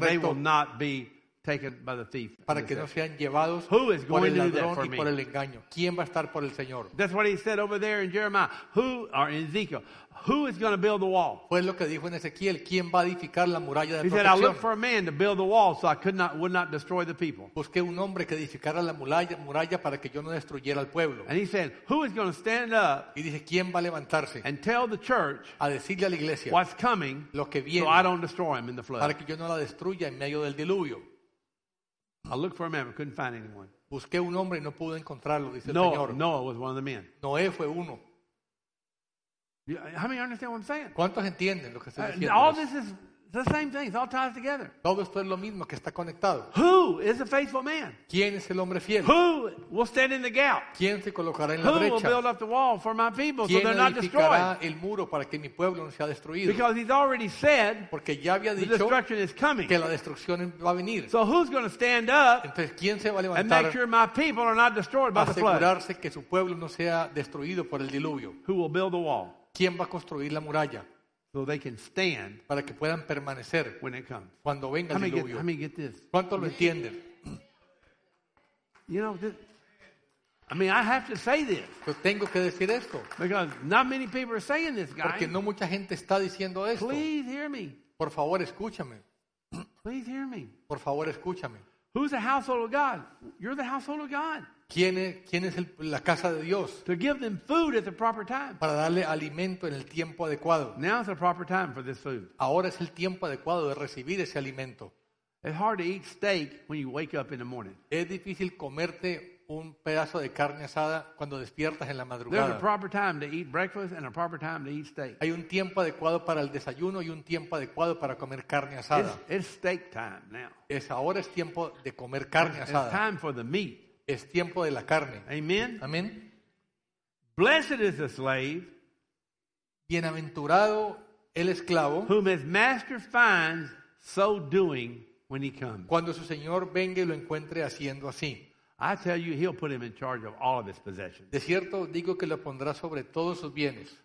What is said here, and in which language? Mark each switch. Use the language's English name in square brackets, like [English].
[English] So they will not be taken by the thief. [Spanish] Para que no sean llevados por el ladrón y por el engaño. ¿Quién va a estar por el Señor? [English] That's what he said over there in Jeremiah. Who are in Ezekiel? Who is going to build the wall? [Spanish] Fue lo que dijo en Ezequiel. ¿Quién va a edificar la muralla de protección? [English] He said, I looked for a man to build the wall so I would not destroy the people. [Spanish] Busqué un hombre que edificara la muralla para que yo no destruyera al pueblo. [English] And he said, who is going to stand up? [Spanish] Y dije, ¿quién va a levantarse? [English] And tell the church [Spanish] a decirle a la iglesia [English] what's coming, [Spanish] lo que viene, [English] so I don't destroy him in the flood. [Spanish] Para que yo no la destruya en medio del diluvio. [English] I looked for a man, but couldn't find anyone. [Spanish] Busqué un hombre y no pude encontrarlo, dice [English] Noah, [Spanish] el Señor. [English] Noah was one of the men. [Spanish] Noé fue uno. [English] How many understand what I'm saying? [Spanish] ¿Cuántos entienden lo que estoy diciendo? [English] All this is the same thing. It's all ties together. [Spanish] Todo esto es lo mismo que está conectado. [English] Who is a faithful man? [Spanish] ¿Quién es el hombre fiel? [English] Who will stand in the gap? [Spanish] ¿Quién se colocará en la brecha? [English] Who will build up the wall for my people so they're not destroyed? [Spanish] ¿Quién edificará el muro para que mi pueblo no sea destruido? [English] Because he's already said, [Spanish] porque ya había dicho, [English] the destruction is coming. [Spanish] Que la destrucción va a venir. [English] So who's going to stand up? [Spanish] Entonces, ¿quién se va a levantar? [English] And make sure my people are not destroyed by the flood. [Spanish] Asegurarse que su pueblo no sea destruido por el diluvio. [English] Who will build the wall? [Spanish] ¿Quién va a construir la muralla? [English] So they can stand [Spanish] para que puedan permanecer [English] when it comes. [Spanish] Cuando venga el diluvio. [English] How many get this? [Spanish] ¿Cuánto lo entienden? [English] You know, I have to say this. [Spanish] Yo tengo que decir esto. [English] Because not many people are saying this, guys. [Spanish] Porque no mucha gente está diciendo esto. [English] Please hear me. [Spanish] Por favor, escúchame. [English] Please hear me. [Spanish] Por favor, escúchame. [English] Who's the household of God? You're the household of God. [Spanish] ¿Quién es la casa de Dios? [English] To give them food at the proper time. [Spanish] Para darle alimento en el tiempo adecuado. [English] Now is the proper time for this food. [Spanish] Ahora es el tiempo adecuado de recibir ese alimento. [English] It's hard to eat steak when you wake up in the morning. [Spanish] Es difícil comerte un pedazo de carne asada cuando despiertas en la madrugada. [English] There's a proper time to eat breakfast and a proper time to eat steak. [Spanish] Hay un tiempo adecuado para el desayuno y un tiempo adecuado para comer carne asada. [English] It's steak time now. [Spanish] Ahora es tiempo de comer carne asada. [English] It's time for the meat. [Spanish] Es tiempo de la carne. [English] Amen. [Spanish] Amen. [English] Blessed is the slave. [Spanish] Bienaventurado el esclavo. [English] Whom his master finds so doing when he comes. [Spanish] Cuando su señor venga y lo encuentre haciendo así. [English] I tell you, he'll put him in charge of all of his possessions. [Spanish] De cierto digo que lo pondrá sobre todos sus bienes.